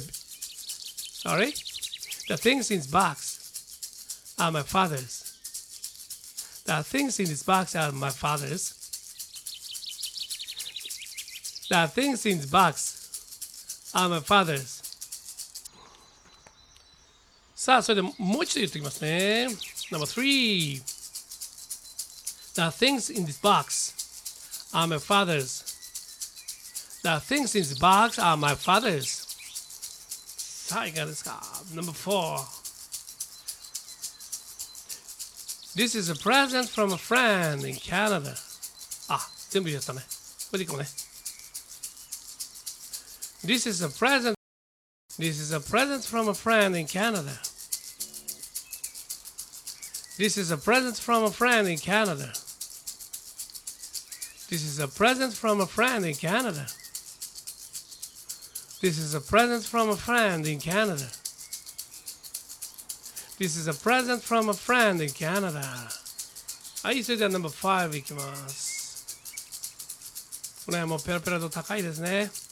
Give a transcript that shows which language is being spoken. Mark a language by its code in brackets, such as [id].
[en] Sorry? The things in this box are my father's. The things in this box are my father's. The things in this box are my father's. [ja] さあ、それでもう一度言っておきますね。 [en] Number three. The things in this box are my father's. The things in this box are my father's. I got this card. Number four. This is a present from a friend in Canada. [ja] Ah, 全部言ったね。これでいこうね。 [en] This is a present. This is a present from a friend in Canada. This is a present from a friend in Canada. This is a present from a friend in Canada. This is a present from a friend in Canada. This is a present from a friend in Canada. [ja] はい、それでは number five いきます。これはもうペラペラと高いですね。